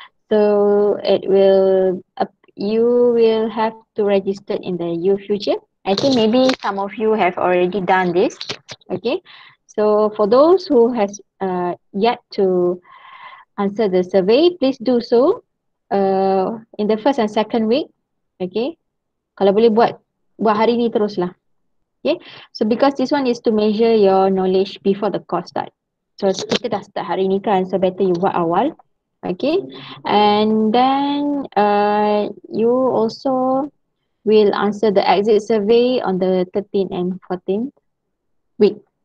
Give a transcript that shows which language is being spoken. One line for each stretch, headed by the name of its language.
English: So it will you will have to register in the UFuture. I think maybe some of you have already done this. Okay. So for those who has yet to answer the survey, please do so in the first and second week. Okay.
Malay: Kalau boleh buat hari ni teruslah.
English: Okay. So because this one is to measure your knowledge before the course start.
Malay: So kita dah start hari ni kan, so better you buat awal. Okay.
English: And then you also will answer the exit survey on the 13th and 14th week.